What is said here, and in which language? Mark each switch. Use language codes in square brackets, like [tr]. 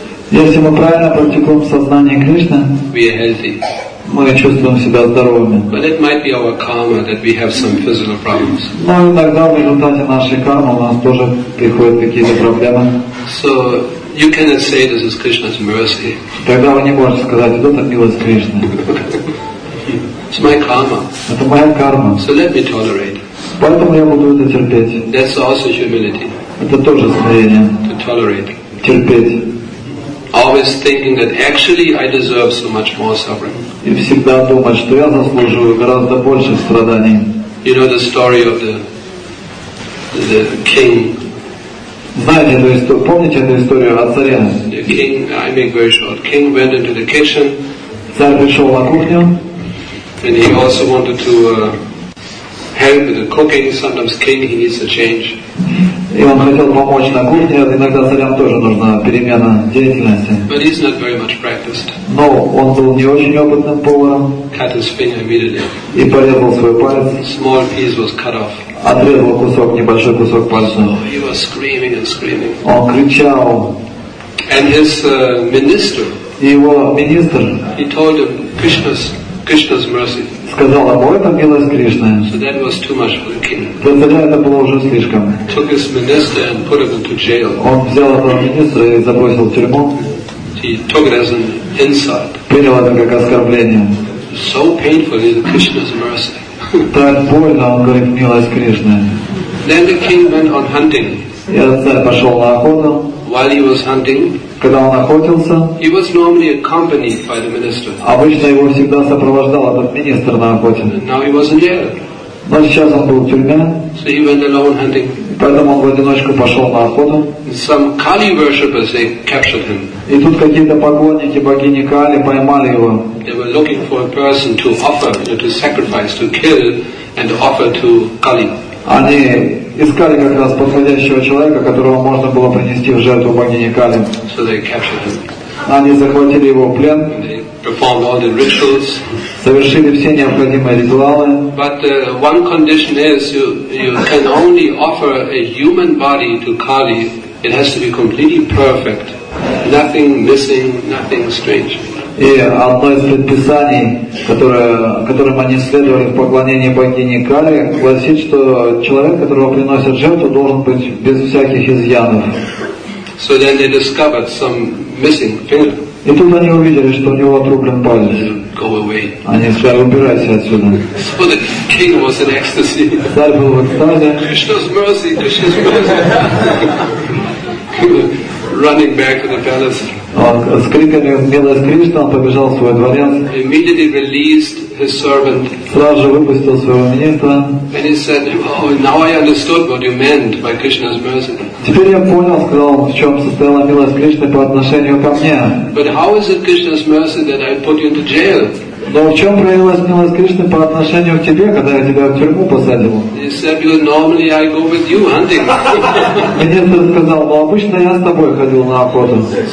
[ru] если мы правильно практикуем сознание Кришны, [en] we are healthy. [ru] Мы чувствуем себя здоровыми. [en] But it might be our karma that we have some physical problems. [ru] Но иногда в результате нашей кармы у нас тоже приходят какие-то проблемы. [en] So you cannot say this is Krishna's mercy. [ru] Тогда вы не можете сказать, что это милость Кришны. [en] It's my karma. [ru] Это моя карма. [en] So let me tolerate. [ru] Поэтому я буду это терпеть. [en] That's also humility. [ru] Это тоже смирение. [en] To tolerate. [ru] Терпеть. [en] Always thinking that actually I deserve so much more suffering. [ru] И всегда думать, что я заслуживаю гораздо больше страданий. [en] You know the story of the king. [ru] Знаете эту историю? Помните эту историю о царе? [en] The king, I make very short. King went into the kitchen. [ru] Царь пришел на кухню. [en] And he also wanted to help with the cooking. Sometimes king he needs a change. [ru] И он хотел помочь на кухне, иногда царям тоже нужна перемена деятельности. [en] But he's not very much practiced. [ru] Но он был не очень опытным поваром. [en] Cut his finger immediately. [ru] И порезал свой палец. [en] Small piece was cut off. [ru] Отрезал кусок, небольшой кусок пальца. [en] So he was screaming and screaming. [ru] Он кричал. [en] And his minister. [ru] И его министр. [en] He told him Krishna's mercy. [ru] Сказал ему, это милость Кришны. [en] So that was too much for the king. [ru] Для царя это было уже слишком. [en] Took his minister and put him into jail. [ru] Он взял этого министра и забросил в тюрьму. [en] He took it as an insult. [ru] Принял это как оскорбление. [en] So painful is Krishna's mercy. [ru] Так больно, он говорит, милость Кришны. [en] Then the king went on hunting. [ru] И царь пошел на охоту. [en] While he was hunting, [ru] когда он охотился, [en] he was normally accompanied by the minister. [ru] Обычно его всегда сопровождал этот министр на охоте. [en] Now he was in jail. [ru] Но сейчас он был в тюрьме. [en] So he went alone hunting. [ru] Поэтому он в одиночку пошел на охоту. [en] Some Kali worshippers, they captured him. [ru] И тут какие-то поклонники богини Кали поймали его. [en] They were looking for a person to offer, to sacrifice, to kill, and offer to Kali. [ru] Они искали как раз подходящего человека, которого можно было принести в жертву богине Кали. [en] So they captured him. [ru] Они захватили его в плен. [en] And they performed all the rituals. [ru] Совершили все необходимые ритуалы. [en] But one condition is you can only offer a human body to Kali. It has to be completely perfect. Nothing missing, nothing strange. [ru] И одно из предписаний, которым они следовали в поклонении богине Кали, гласит, что человек, которого приносят жертву, должен быть без всяких изъянов. [en] So then they discovered some missing finger. [ru] И тут они увидели, что у него отрублен палец. Они сказали, убирайся отсюда. [en] So the king was in ecstasy. [ru] Царь был в экстазе. [en] Krishna's mercy, Krishna's mercy. Running back to the palace. [ru] С криками «Милость Кришна!» он побежал в свой дворец. [en] Immediately released his servant. [ru] Сразу же выпустил своего министра. [en] And he said, oh, now I understood what you meant by Krishna's mercy. [ru] Теперь я понял, сказал, в чем состояла милость Кришны по отношению ко мне. [en] But how is it Krishna's mercy that I put you into jail? [ru] Но в чем проявилась милость Кришны по отношению к тебе, когда я тебя в тюрьму посадил? Министр сказал, ну обычно я с тобой ходил на охоту.